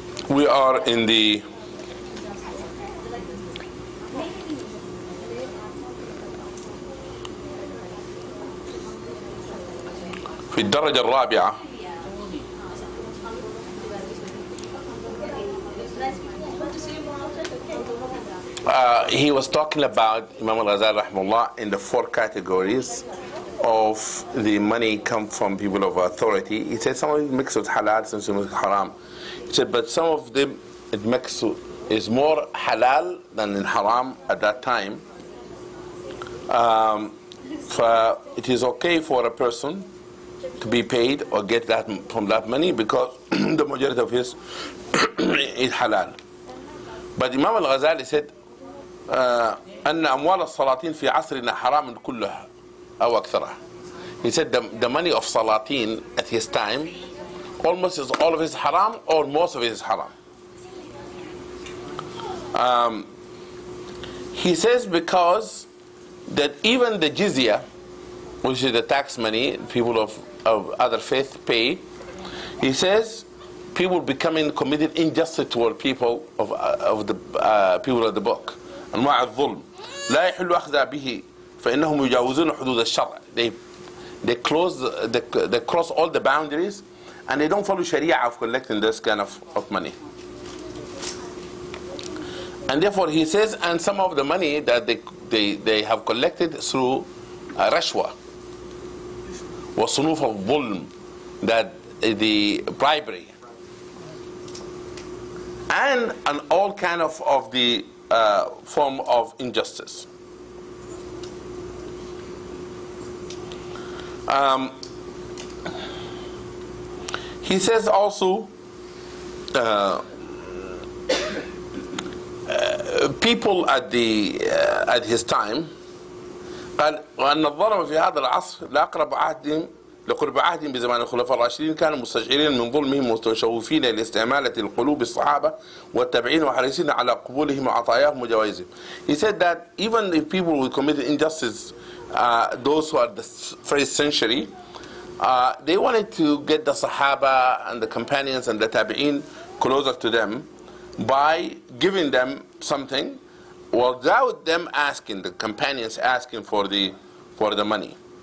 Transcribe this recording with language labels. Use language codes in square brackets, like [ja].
[en] We are in the [ar] في الدرجة الرابعة [en] he was talking about Imam al-Ghazali rahmullah in the four categories of the money come from people of authority. He said some of it mixed with halal, some of it mixed with haram. He said but some of them it mixed with, is more halal than in haram at that time. It is okay for a person to be paid or get that from that money because the majority of his is halal. But Imam al-Ghazali said [ar] أن أموال الصلاتين في عصرنا حرام كلها أو أكثرها. [en] He said the money of salatin at his time almost is all of his haram or most of his haram. He says because that even the jizya, which is the tax money people of other faith pay, he says people becoming committed injustice toward people of the people of the book. [ar] أنواع الظلم لا يحل أخذها به فإنهم يجاوزون حدود الشرع. [en] They close they cross all the boundaries and they don't follow Sharia of collecting this kind of money. And therefore he says and some of the money that they have collected through rashwa [ar] وصنوف الظلم [en] that the bribery and all kind of the form of injustice. He says also people at the at his time [ar] قال وأن الظلم في هذا العصر لأقرب عهد لقرب عهد بزمان الخلفاء الراشدين كانوا مستشعرين من ظلمهم ومتشوفين لاستعمالة القلوب الصحابة والتابعين وحريصين على قبولهم وعطاياهم وجوائزهم. [en] He said that even if people who committed injustice, those who are the first century, they wanted to get the Sahaba and the companions and the Tabi'in closer to them by giving them something without them asking, the companions asking for the money.